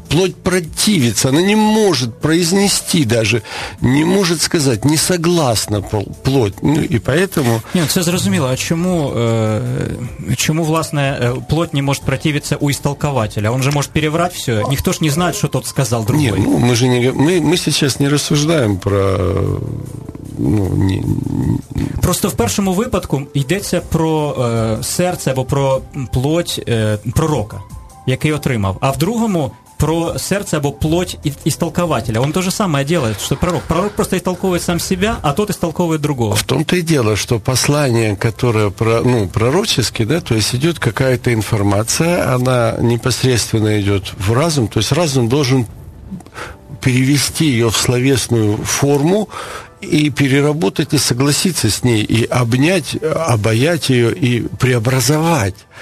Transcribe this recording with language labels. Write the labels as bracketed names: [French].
[Russian] Плоть противится, она не может произнести даже, не может сказать, не согласна плоть. Ну, и поэтому... Нет, все [Ukrainian] зрозуміло. [Russian] А чему, чему [Ukrainian] власне, [Russian] плоть не может противиться у истолкователя? Он же может переврать все. Никто ж не знает, что тот сказал другой. Нет, ну, мы же не, мы сейчас не рассуждаем про... Ну, не... [Ukrainian] Просто в першому випадку йдеться про серце або про плоть пророка, який отримав, а в другому про серце або плоть істолкователя. [Russian] Он то же самое делает, что пророк. Пророк просто истолковує сам себя, а тот истолковує другого. В том-то и дело, что послание, которое ну, пророчески, да, то есть идет какая-то информация, она непосредственно идет в разум, то есть разум должен перевести ее в словесную форму и переработать, и согласиться с ней, и обнять, обаять ее, и преобразовать.